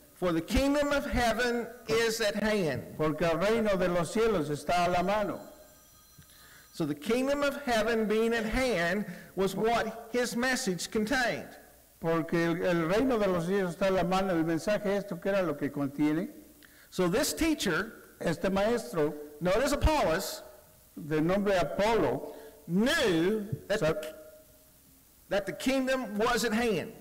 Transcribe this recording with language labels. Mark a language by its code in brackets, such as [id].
[en] For the kingdom of heaven is at hand. [es] Porque el reino de los cielos está a la mano. [en] So the kingdom of heaven being at hand was what his message contained. [es] Porque el reino de los cielos está en la mano, el mensaje esto que era lo que contiene. [en] So this teacher, [es] este maestro, [en] known as Apollos, [es] de nombre Apolo, [en] knew that the kingdom was at hand.